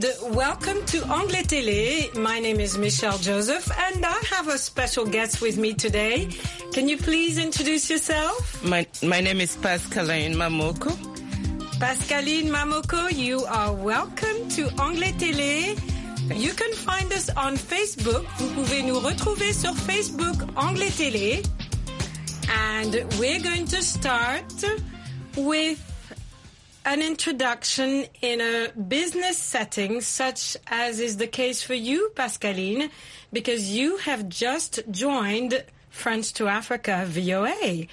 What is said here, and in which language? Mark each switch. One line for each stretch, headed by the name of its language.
English: Welcome to Anglais Télé. My name is Michelle Joseph, and I have a special guest with me today. Can you please introduce yourself? My name is Pascaline Mamoko. Pascaline Mamoko, you are welcome to Anglais Télé. Thanks. You can find us on Facebook.
French: Vous pouvez nous retrouver sur Facebook Anglais Télé.
English: And we're going to start with an introduction in a business setting, such as is the case for you, Pascaline, because you have just joined French to Africa VOA.